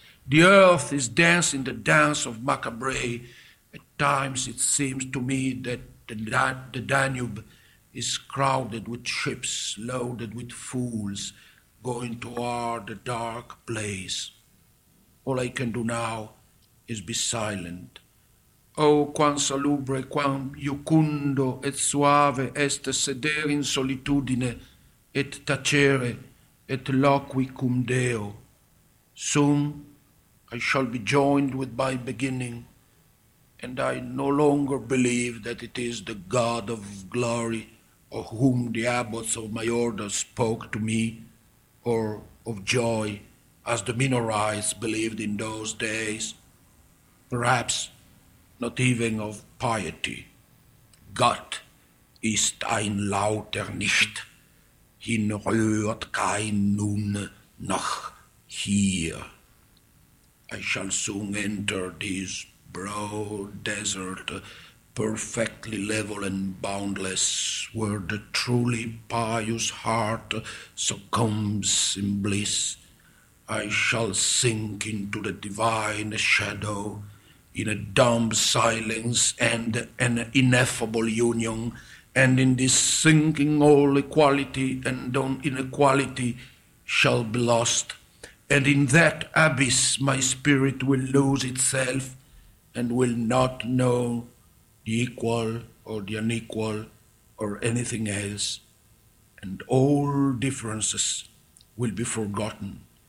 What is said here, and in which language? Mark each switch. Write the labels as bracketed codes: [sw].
[en] The earth is dancing the dance of Macabre. At times it seems to me that the Danube is crowded with ships loaded with fools going toward the dark place. All I can do now is be silent. [la] Oh, quam salubre, quam jucundo et suave est sedere in solitudine et tacere et loqui cum Deo. [en] Soon I shall be joined with my beginning, and I no longer believe that it is the God of glory of whom the abbots of my order spoke to me, or of joy, as the Minorites believed in those days. Perhaps not even of piety. [de] Gott ist ein lauter nicht, hin rührt kein nun noch hier. [en] I shall soon enter this broad desert, perfectly level and boundless, where the truly pious heart succumbs in bliss. I shall sink into the divine shadow, in a dumb silence and an ineffable union, and in this sinking all equality and inequality shall be lost, and in that abyss my spirit will lose itself and will not know the equal or the unequal or anything else, and all differences will be forgotten.